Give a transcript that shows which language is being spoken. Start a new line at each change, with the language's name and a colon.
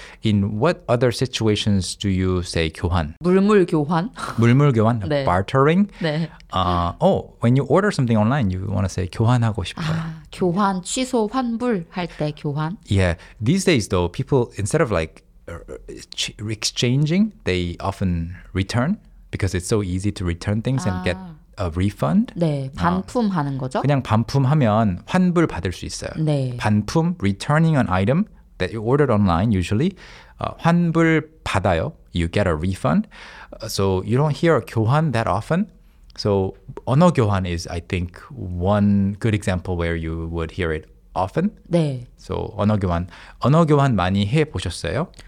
English: In what other situations do you say 교환?
Korean: 물물 교환. 물물 교환? 네.
English: Bartering?
Korean: 네.
English: When you order something online, you want to say
Korean: 교환하고 싶어요. 교환, 취소, 환불 할 때 교환.
English: Yeah, these days though, people instead of like exchanging, they often return because it's so easy to return things and get a refund.
Korean: 네, 반품하는 거죠. 그냥 반품하면 환불 받을 수 있어요. 네.
English: 반품, returning an item that you ordered online usually,
Korean: 환불 받아요.
English: You get a refund. So you don't hear 교환 that often. So 언어 교환 is, I think, one good example where you would hear it often.
Korean: 네.
English: So 언어 교환.
Korean: 언어 교환 많이 해보셨어요?